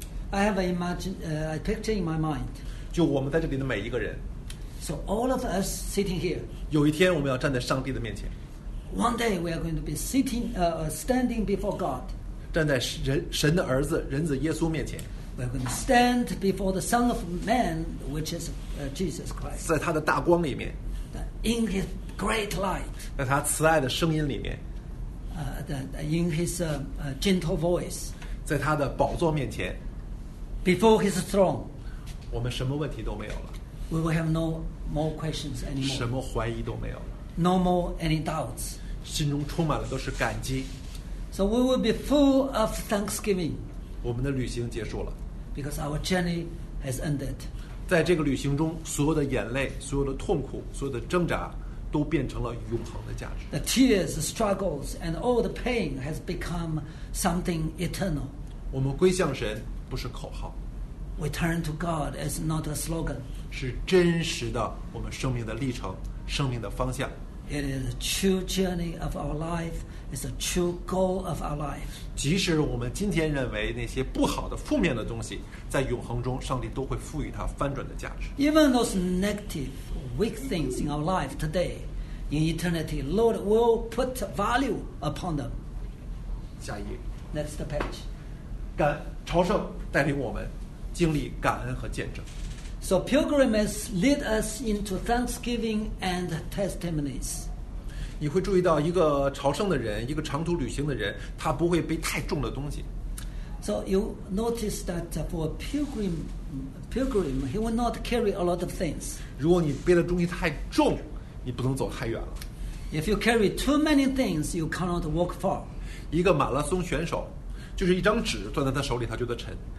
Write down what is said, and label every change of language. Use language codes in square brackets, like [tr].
[en] I have a picture in my mind. [zh] 就我们在这里的每一个人。 [en] So all of us sitting here. [zh] 有一天我们要站在上帝的面前。 [en] One day we are going to be sitting, standing before God. [zh] 站在神的儿子人子耶稣面前。 [en] We are going to stand before the Son of Man, which is Jesus Christ. [zh] 在他的大光里面。 [en] In His great light. [zh] 在他慈爱的声音里面。 [en] In His gentle voice. [zh] 在他的宝座面前。 [en] Before His throne. [zh] 我们什么问题都没有了。 [en] We will have no more questions anymore. [zh] 什么怀疑都没有了。 [en] No more any doubts. [zh] 心中充满了都是感激。 [en] So we will be full of thanksgiving. [zh] 我们的旅行结束了。 [en] Because our journey has ended. [zh] 在这个旅行中，所有的眼泪、所有的痛苦、所有的挣扎，都变成了永恒的价值。 [en] The tears, the struggles, and all the pain has become something eternal. [zh] 我们归向神不是口号。 [en] We turn to God as not a slogan. [zh] 是真实的我们生命的历程，生命的方向。 [en] It is a true journey of our life. It's a true goal of our life. [zh] 即使我们今天认为那些不好的、负面的东西，在永恒中，上帝都会赋予它翻转的价值。 [en] Even those negative, weak things in our life today, in eternity, Lord will put value upon them. [zh] 下一页。 [en] Next page. [zh] 感朝圣带领我们经历感恩和见证。 [en] So pilgrimages lead us into thanksgiving and testimonies. [zh] 你会注意到一个朝圣的人，一个长途旅行的人，他不会背太重的东西。 [en] So you notice that for a pilgrim, he will not carry a lot of things. [zh] 如果你背的东西太重，你不能走太远了。 [en] If you carry too many things, you cannot walk far. [zh] 一个马拉松选手，就是一张纸攥在他手里，他觉得沉。